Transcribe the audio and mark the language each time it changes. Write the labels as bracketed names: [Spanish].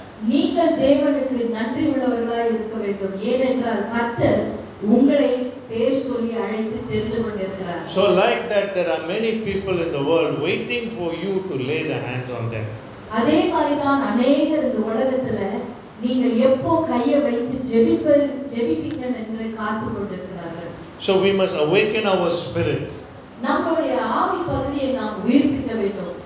[Tamil] நீங்கள் தேவனுக்கு நன்றி உள்ளவர்களாக இருக்க வேண்டும், ஏனென்றால் கர்த்தர் உங்களை பேர் சொல்லி அழைத்து தெரிந்து கொண்டிருக்கிறார். [English] So like that there are many people in the world waiting for you to lay the hands on them. [Tamil] அதே மாதிரிதான் அநேகர் இந்த உலகத்தில் நீங்கள் எப்போ கையை வைத்து ஜெபிப்பீங்க என்று காத்து கொண்டிருக்கிறார்கள். [English] So we must awaken our spirit. [Tamil] நம்முடைய ஆவி பகுதியை நாம் உயிர்ப்பிக்க வேண்டும்.